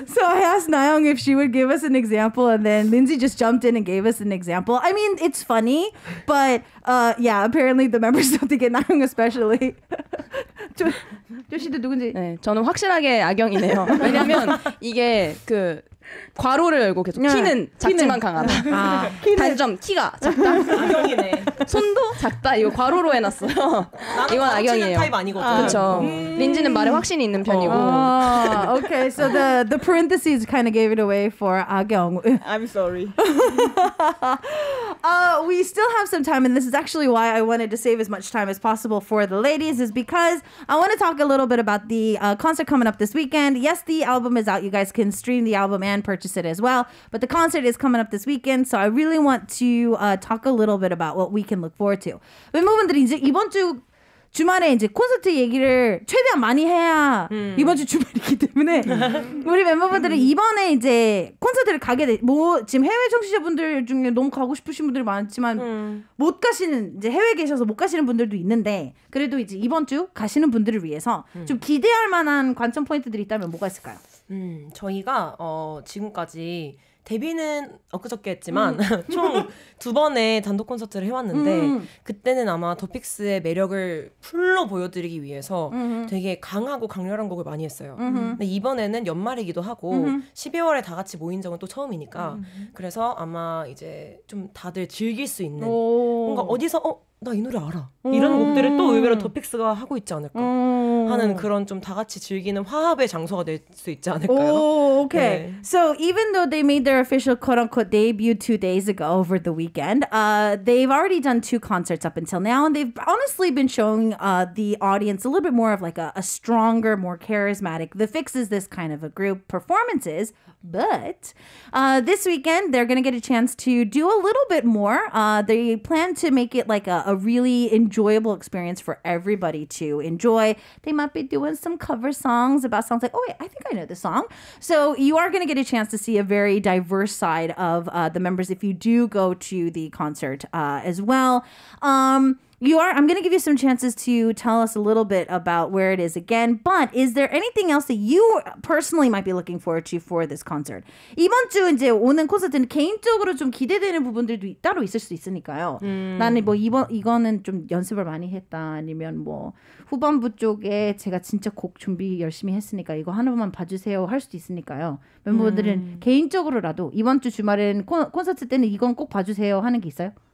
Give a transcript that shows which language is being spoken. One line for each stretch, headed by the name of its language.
English: So I asked Nayoung if she would give us an example, and then Lindsay just jumped in and gave us an example. I mean, it's funny, but yeah, apparently the members don't think it. Nayoung especially.
Korean: 조시도 누군지? 네, 저는 확실하게 악영이네요. 왜냐하면 이게 그 괄호를 열고 계속 yeah. 키는 작지만 키는. 강하다. 아. 키는. 단점 키가 작다. 악영이네. 손도 작다. 이거 괄호로 해놨어요. 이건 악영이에요. 타입 아니거든. 그렇죠. 린지는 말에 확신이 있는 편이고.
English: Okay, so the parentheses kind of gave it away for 악영. I'm sorry. We still have some time, and this is actually why I wanted to save as much time as possible for the ladies, is because I want to talk a little bit about the concert coming up this weekend. Yes, the album is out. You guys can stream the album and purchase it as well, but the concert is coming up this weekend, so I really want to talk a little bit about what we can look forward to.
Korean: 멤버분들이 이제 이번 주 주말에 이제 콘서트 얘기를 최대한 많이 해야 이번 주 주말이기 때문에 우리 멤버분들은 이번에 이제 콘서트를 가게 돼. 뭐 지금 해외 청취자분들 중에 너무 가고 싶으신 분들이 많지만 못 가시는 이제 해외 계셔서 못 가시는 분들도 있는데 그래도 이제 이번 주 가시는 분들을 위해서 좀 기대할 만한 관전 포인트들이 있다면 뭐가 있을까요? 저희가 지금까지 데뷔는 엊그저께 했지만 총 두 번의 단독 콘서트를 해왔는데 그때는 아마 더픽스의 매력을 풀로 보여드리기 위해서 되게 강하고 강렬한 곡을 많이 했어요. 근데 이번에는 연말이기도 하고 12월에 다 같이 모인 적은 또 처음이니까 그래서 아마 이제 좀 다들 즐길 수 있는 뭔가 어디서 나 이 노래 알아 이런 곡들을 또 의외로 더픽스가 하고 있지 않을까 하는 그런 좀 다 같이 즐기는 화합의 장소가 될 수 있지 않을까요? 오, 오케이. 네.
English: So even though they made their official quote-unquote debut 2 days ago over the weekend, they've already done 2 concerts up until now, and they've honestly been showing the audience a little bit more of like a stronger, more charismatic. The Fix is this kind of a group performances, but this weekend they're going to get a chance to do a little bit more. They plan to make it like a really enjoyable experience for everybody to enjoy. They might be doing some cover songs about songs like, oh wait, I think I know this song. So you are going to get a chance to see a very diverse side of the members if you do go to the concert as well. I'm going to give you some chances to tell us a little bit about where it is again, but is there anything else that you personally might be looking forward to for this concert?
Korean: 이번 주 이제 오는 콘서트는 개인적으로 좀 기대되는 부분들도 따로 있을 수 있으니까요. 나는 뭐 이거는 좀 연습을 많이 했다 아니면 뭐 후반부 쪽에 제가 진짜 곡 준비 열심히 했으니까 이거 하나만 봐주세요 할 수도 있으니까요. 멤버들은 개인적으로라도 이번 주 주말에는 콘서트 때는 이건 꼭 봐주세요 하는 게 있어요?